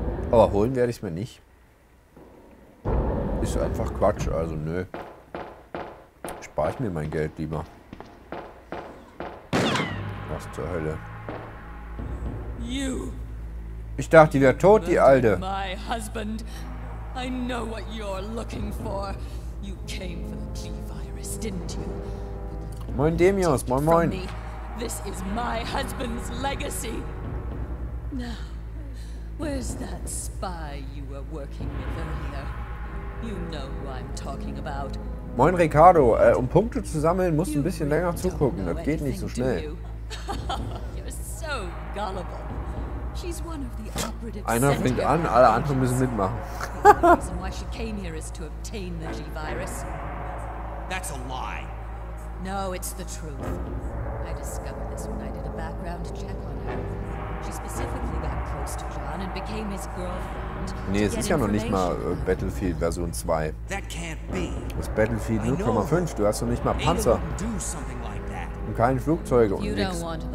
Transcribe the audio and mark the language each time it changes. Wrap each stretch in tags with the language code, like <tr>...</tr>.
<de>Aber holen werde ich es mir nicht. ist einfach Quatsch, also nö. Spare ich mir mein Geld lieber. Was zur Hölle? Ich dachte, die wäre tot, die Alte.</de> <en>My husband. I know what you're looking for. You came for the G-Virus, didn't you?</en> <de>Moin Demios, moin moin.</de> <en>This is my husband's legacy. Now, where's that spy you were working with earlier? You know who I'm talking about.</en> <de>Moin Ricardo, um Punkte zu sammeln, musst du ein bisschen länger zugucken. Das geht nicht so schnell.</de> <en>You're so gullible. She's one of the operatives.</en> <de>Einer fängt an, alle anderen müssen mitmachen.</de> <en>The reason why she came here is to obtain the G-Virus. That's a lie. No, it's the truth. I discovered this when I did a background check on her. She specifically got close to John and became his girlfriend.</en> <de>Nee, es ist ja noch nicht mal Battlefield Version 2.</de> <en>That can't be.</en> <de>Das ist Battlefield 0,5. Du hast noch nicht mal Panzer. Und keine Flugzeuge und nix.</de>